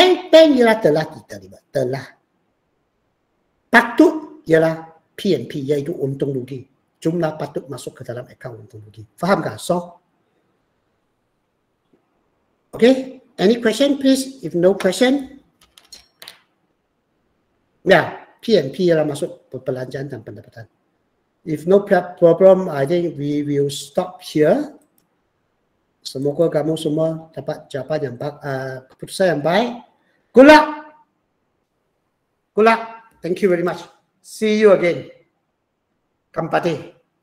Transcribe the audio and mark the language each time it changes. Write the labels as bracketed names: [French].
[Malay] Bank ialah telah diterima. Telah. Patut ialah PNP iaitu untung rugi. Jumlah patut masuk ke dalam akaun untung rugi. Fahamkah? So? [English] Okay. Any question please? If no question. Ya. Yeah. [Malay] PNP ialah masuk perbelanjaan dan pendapatan. [English] If no problem, I think we will stop here. [Malay] Semoga kamu semua dapat jawapan yang baik, keputusan yang baik. [English] Good luck! Good luck! Thank you very much. See you again. Kampati.